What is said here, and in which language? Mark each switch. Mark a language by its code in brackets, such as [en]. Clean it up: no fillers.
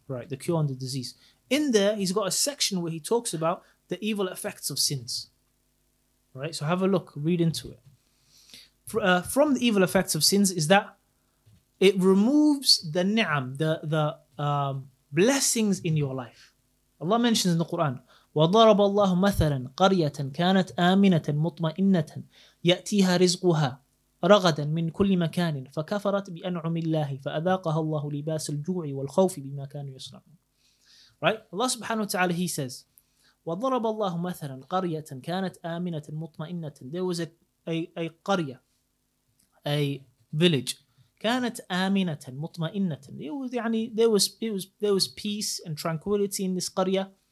[en] Right, The Cure and the Disease. In there, he's got a section where he talks about the evil effects of sins. Right? So have a look, read into it. From the evil effects of sins is that it removes the ni'am, the blessings in your life. [ar] Allah mentions in the Quran, وَضَرَبَ اللَّهُ مَثَلًا قَرْيَةً كَانَتْ آمِنَةً مُطْمَئِنَّةً يَأْتِيهَا رِزْقُهَا رَغَدًا مِنْ كُلِّ مَكَانٍ فَكَفَرَتْ بِأَنْعُمِ اللَّهِ فَأَذَاقَهَا اللَّهُ لِبَاسَ الْجُوعِ وَالْخَوْفِ بِمَا كَانُوا يَصْنَعُونَ. [en] Right? Allah subhanahu wa ta'ala, he says, [ar] وَضَرَبَ اللَّهُ مَثَلًا قَرْيَةً كَانَتْ آمِنَةً مُطْمَئِنَّةً. [en] There was a qarya, a village. [ar] كَانَتْ آمِنَةً مُطْمَئِنَّةً. [en] There was peace and tranquility in this qarya.